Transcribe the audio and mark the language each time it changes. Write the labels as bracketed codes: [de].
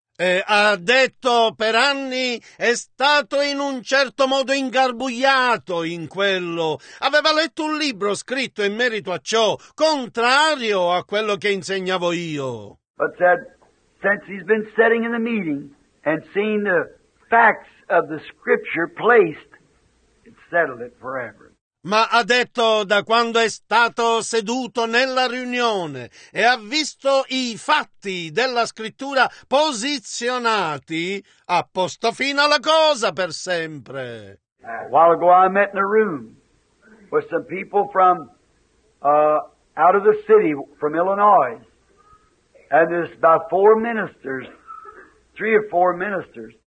[it] E ha detto per anni è stato in un certo modo ingarbugliato in quello. Aveva letto un libro scritto in merito a ciò, contrario a quello che insegnavo io. [en] But said, since he's been sitting in the meeting and seeing the facts of the scripture placed, it settled it forever. [it] Ma ha detto da quando è stato seduto nella riunione e ha visto i fatti della scrittura posizionati, ha posto fine alla cosa per sempre. [en] A while ago I met in a room with some people from out of the city, from Illinois, and there's about three or four ministers.